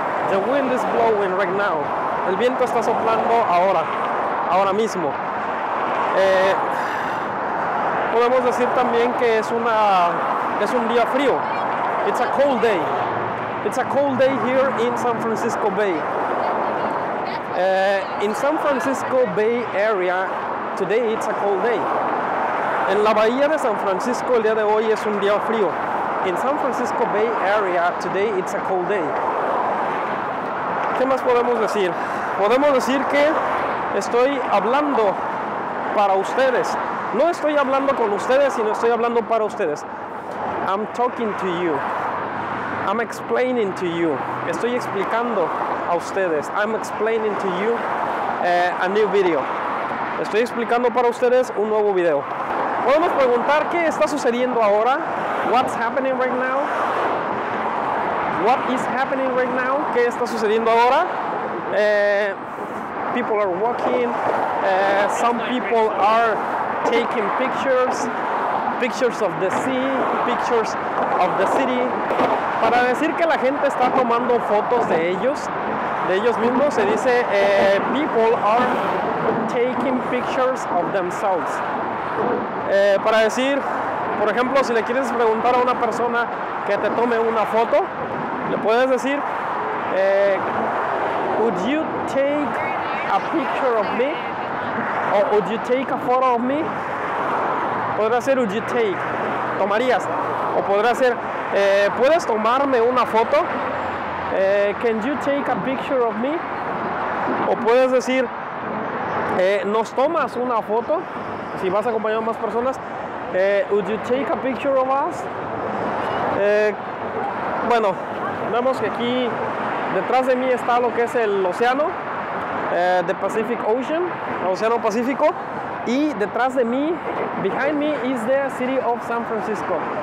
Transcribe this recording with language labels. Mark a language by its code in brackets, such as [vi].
[en] The wind is blowing right now. [es] El viento está soplando ahora, ahora mismo. Podemos decir también que es un día frío. [en] It's a cold day. It's a cold day here in San Francisco Bay. In San Francisco Bay area, today it's a cold day. [es] En la bahía de San Francisco el día de hoy es un día frío. [en] In San Francisco Bay area, today it's a cold day. [es] ¿Qué más podemos decir? Podemos decir que estoy hablando para ustedes. No estoy hablando con ustedes, sino estoy hablando para ustedes. [en] I'm talking to you. I'm explaining to you. [es] Estoy explicando a ustedes. [en] I'm explaining to you a new video. [es] Estoy explicando para ustedes un nuevo video. Podemos preguntar qué está sucediendo ahora. [en] What's happening right now? What is happening right now? [es] ¿Qué está sucediendo ahora? [en] People are walking. Some people are taking pictures. Pictures of the sea. Pictures of the city. [es] Para decir que la gente está tomando fotos de ellos mismos, se dice [en] people are taking pictures of themselves. [es] Para decir, por ejemplo, si le quieres preguntar a una persona que te tome una foto, le puedes decir, [en] would you take a picture of me? Or would you take a photo of me? [es] Podría ser, [en] would you take, [es] tomarías. O podría ser, ¿puedes tomarme una foto? [en] Can you take a picture of me? [es] O puedes decir, ¿nos tomas una foto? Si vas acompañado a más personas, [en] would you take a picture of us? [es] Bueno, vemos que aquí detrás de mí está lo que es el océano, [en] the Pacific Ocean, [es] océano Pacífico, y detrás de mí, [en] behind me, is the city of San Francisco.